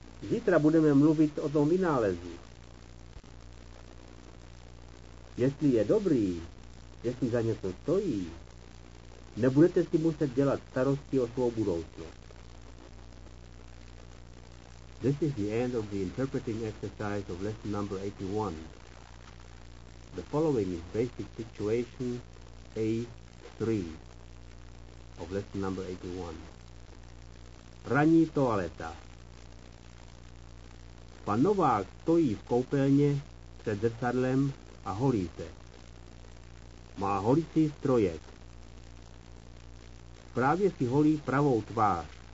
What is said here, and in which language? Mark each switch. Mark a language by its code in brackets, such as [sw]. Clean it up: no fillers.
[cs] Zítra budeme mluvit o tom vynálezu. Jestli je dobrý, jestli za něco stojí, nebudete si muset dělat starosti o svou budoucnost. [en] This is the end of the interpreting exercise of lesson number 81. The following is basic situation A3 of lesson number 81. [cs] Ranní toaleta. Pan Novák stojí v koupelně před zrcadlem a holí se. Má holicí strojek. Právě si holí pravou tvář.